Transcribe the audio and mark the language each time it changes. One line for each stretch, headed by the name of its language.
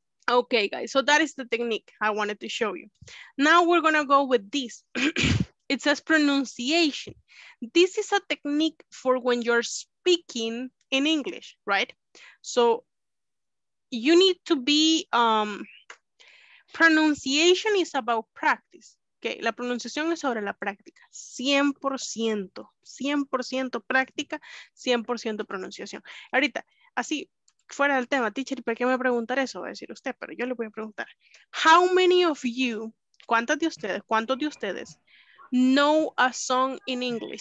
English: Okay, guys, so that is the technique I wanted to show you. Now we're gonna go with this. It says pronunciation. This is a technique for when you're speaking in English, right? So you need to be, pronunciation is about practice.
Spanish: Okay, la pronunciación es sobre la práctica, 100%, 100% práctica, 100% pronunciación. Ahorita, así, fuera del tema, teacher, ¿por qué me preguntar eso? Va a decir usted, pero yo le voy a preguntar.
English: How many of you,
Spanish: cuántos de ustedes
English: know a song in English?